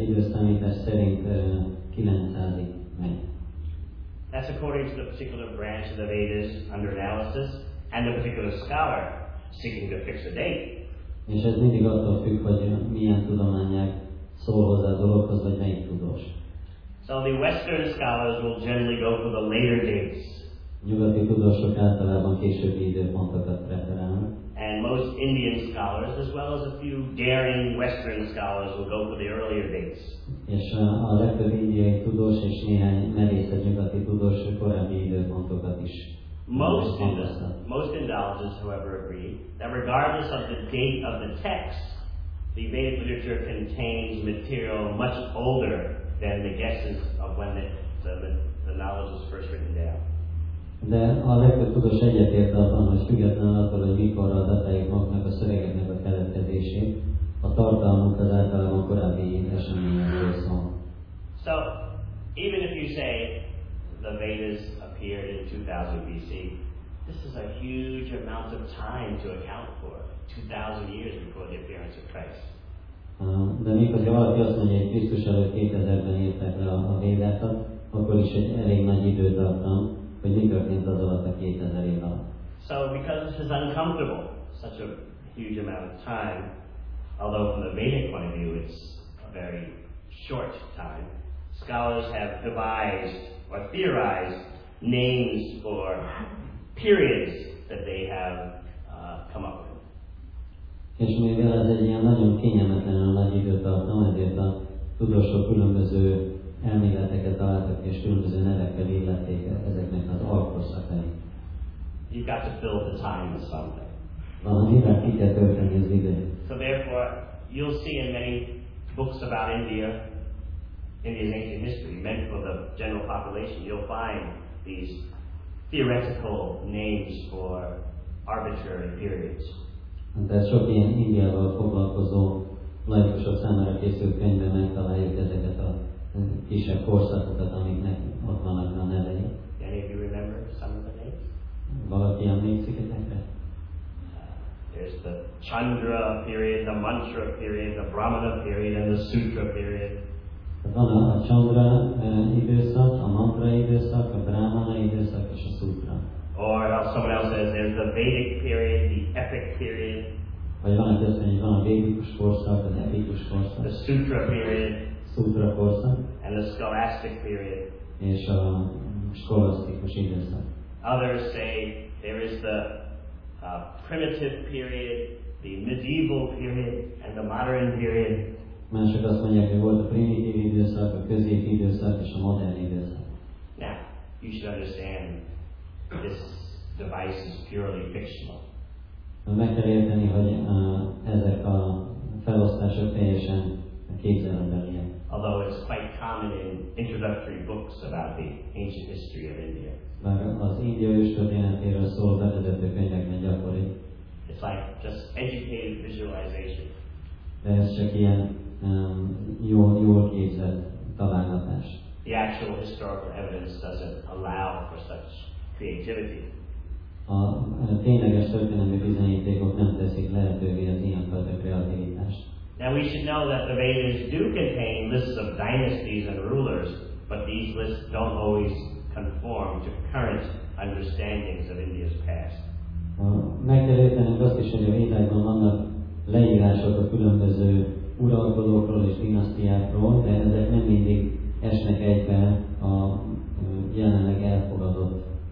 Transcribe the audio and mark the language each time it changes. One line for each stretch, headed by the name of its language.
Hungarian: Időszámítás szerint 900-ig megy.
English: That's according to the particular branch of the Vedas under analysis and the particular scholar seeking to fix a date.
Hungarian: És ez mindig attól függ, hogy milyen tudományág szól hozzá a dologhoz, vagy melyik tudós.
English: So the Western scholars will generally go for the later dates.
Hungarian: Nyugati tudósok általában későbbi időpontokat preferálnak.
English: And most Indian scholars, as well as a few daring Western scholars, will go for the earlier dates.
Hungarian: És a legtöbb indiai tudós és néhány merészet nyugati tudós korábbi időpontokat is.
English: Most Indologists, however, agree that regardless of the date of the text, the Vedic literature contains material much older than the guesses of when the knowledge was first written down.
Hungarian: De a legtöbb tudós egyetért abban, hogy függetlenül attól, hogy mikor a dataik maguknak a szövegeknek a keletkezését, a tartalmuk az általában korábbi eseményekről szól.
English: So, even if you say the Vedas appeared in 2000 BC, this is a huge amount of time to account for, 2000 years before the appearance of Christ.
Hungarian: De mikor valaki azt mondja, hogy Krisztus előtt 2000-ben írták le a Védákat, akkor is egy elég nagy idő tartam, hogy mi történt az alatt a 2000 év alatt.
English: So because this is uncomfortable, such a huge amount of time, although from the Vedic point of view it's a very short time, scholars have devised or theorized names for periods that they have come up with.
Hungarian: És mivel ez egy ilyen nagyon kényelmetlenül nagy időtartam, ezért a tudósok különböző elméleteket találtak és különböző nevekkel illették ezeknek az alkorszakait.
English: You've got to fill the time with something.
Hungarian: Valamivel ki kell tölteni az időt.
English: So therefore, you'll see in many books about India, India's ancient history, meant for the general population, you'll find these theoretical names for arbitrary periods.
Hungarian: De sok ilyen Indiával foglalkozó laikusok számára készült könyvben megtaláljuk ezeket a kisebb korszakokat, amiknek ott vannak a nevei.
English: Any of you remember some of the names?
Hungarian: Valaki emlékszik ezekre?
English: There's the Chandra period, the Mantra period, the Brahmana period, and the Sutra period.
Hungarian: Van a Chandra időszak, a Mantra időszak, a Brahmana időszak és a Sutra.
English: Or someone else says there's the Vedic period, the epic period.
Hungarian: Vagy van egy olyan, hogy van a védikus korszak, az epikus korszak.
English: The Sutra period.
Hungarian: Sutra korszak.
English: And the scholastic period.
Hungarian: És a scholasztikus időszak.
English: Others say there is the primitive period, the medieval period, and the modern period.
Hungarian: Mások azt mondják, hogy volt a primitív időszak, a középi időszak és a modern időszak.
English: Now, you should understand this device is purely fictional.
Hungarian: Meg kell érteni, hogy ezek a felosztások teljesen képzelembeliek.
English: although it's quite common in introductory books about the ancient history of India. It's like just educated visualization. The actual historical evidence doesn't allow for such creativity.
Hungarian: A tényleges történelmi bizonyítékok nem teszik lehetővé az ilyen fajta kreativitást.
English: Now we should know that the Vedas do contain lists of dynasties and rulers, but these lists don't always conform to current understandings of India's past.
Hungarian: Meg kell értenünk azt is, hogy a Védákban vannak leírások a különböző uralkodókról és dinasztiákról, de ezek nem mindig esnek egybe a jelenleg elfogadott